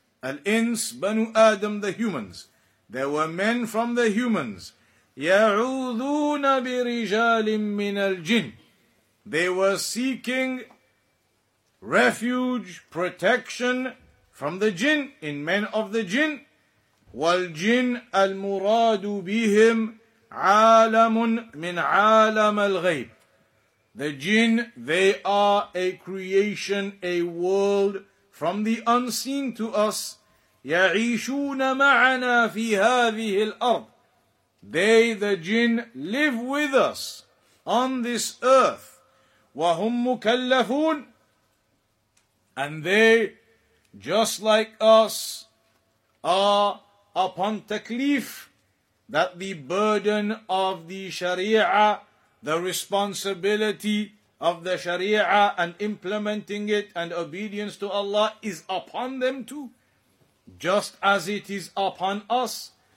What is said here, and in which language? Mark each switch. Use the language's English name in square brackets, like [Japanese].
[English] Al-Ins, Banu Adam, the humans. There were men from the humans. [Arabic] يَعُوذُونَ بِرِجَالٍ مِّنَ الْجِنِ. [English] They were seeking refuge, protection from the jinn, in men of the jinn. [Arabic] والجن المراد بهم عالم من عالم الغيب. [English] The jinn, they are a creation, a world from the unseen to us. [Arabic] يعيشون معنا في هذه الأرض. [English] They, the jinn, live with us on this earth. [Arabic] وَهُمْ مُكَلَّفُونَ. [English] And they, just like us, are upon takleef, that the burden of the sharia, the responsibility of the sharia and implementing it and obedience to Allah is upon them too, just as it is upon us.